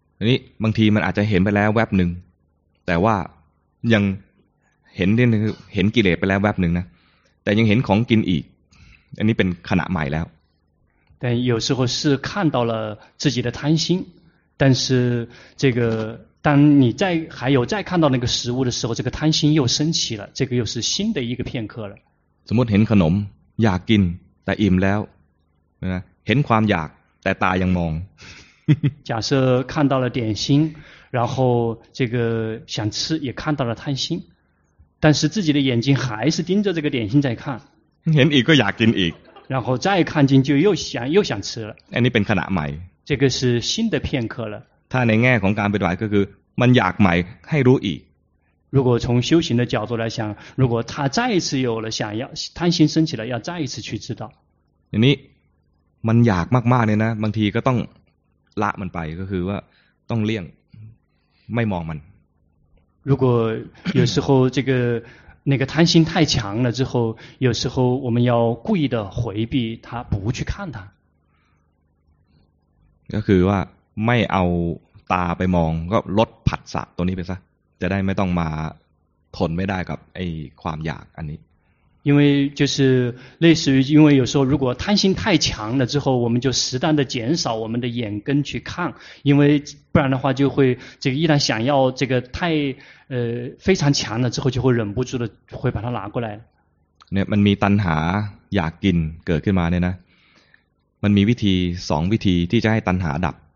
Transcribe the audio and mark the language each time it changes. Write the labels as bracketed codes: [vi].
[th] นี่บางทีมันอาจจะเห็นไปแล้วแวบนึงแต่ว่ายังเห็นกิเลสไปแล้วแวบนึงนะแต่ยังเห็นของกินอีกอันนี้เป็นขณะใหม่แล้ว [zh] 但有时候是看到了自己的贪心但是这个当你再还有再看到那个食物的时候这个贪心又升起了这个又是新的一个片刻了 [th] สมมติเห็นขนมอยากกินแต่อิ่มแล้วนะเห็นความอยากแต่ตายังมอง [zh] 假设看到了点心，然后这个想吃，也看到了贪心，但是自己的眼睛还是盯着这个点心在看。见一个 [th] อยากกินอีก， [zh] 然后再看见就又想吃了。 [th] อันนี้เป็นขณะใหม่ [zh] ，这个是新的片刻了。 [th] ถ้าในแง่ของการปฏิบัติก็คือมันอยากใหม่ให้รู้อีก。 [zh] 如果从修行的角度来想，如果他再一次有了想要贪心升起了，要再一次去知道。 [th] อันนี้มันอยากมากๆเนี่ยนะบางทีก็ต้องละมันไปก็คือว่าต้องเลี่ยงไม่มองมัน。 [zh] 如果有时候这个那个贪心太强了之后，有时候我们要故意的回避它，不去看它。 [th] ก็คือว่าไม่เอาตาไปมองก็ลดผัสสะตัวนี้ไปซะจะได้ไม่ต้องมาทนไม่ได้กับไอ้ความอยากอันนี้。 [zh] 因为就是类似于，因为有时候如果贪心太强了之后，我们就适当的减少我们的眼根去看，因为不然的话就会这个依然想要这个太。非常强了之后就会忍不住的会把它拿过来。 [th] เนี่ยมันมีตัณหาอยากกินเกิดขึ้นมาเนี่ยนะมันมีวิธีสองวิธีที่จะให้ตัณหาดับ。